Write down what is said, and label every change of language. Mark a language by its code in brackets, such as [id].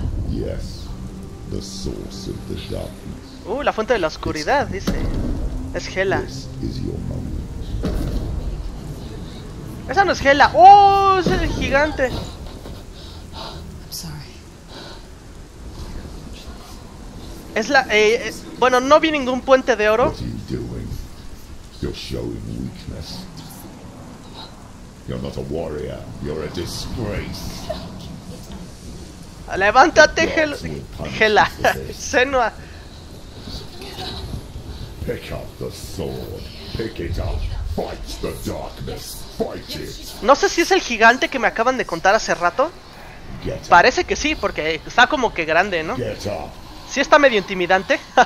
[en] Yes, the source of the darkness. [es] La fuente de la oscuridad, dice. Es Hela. [en] This is your moment. [es] Esa no es Hela. ¡Oh! Es el gigante. [en] I'm sorry. [es] Es la... bueno, no vi ningún puente de oro. [en] What are you doing? You're showing weakness. You're not a warrior. You're a disgrace. [es] ¡Levántate, Hela! ¡Senua! [en] Pick up the sword. Pick it up. Fight the darkness. Fight it. [es] No sé si es el gigante que me acaban de contar hace rato. Parece que sí, porque está como que grande, ¿no? Sí está medio intimidante.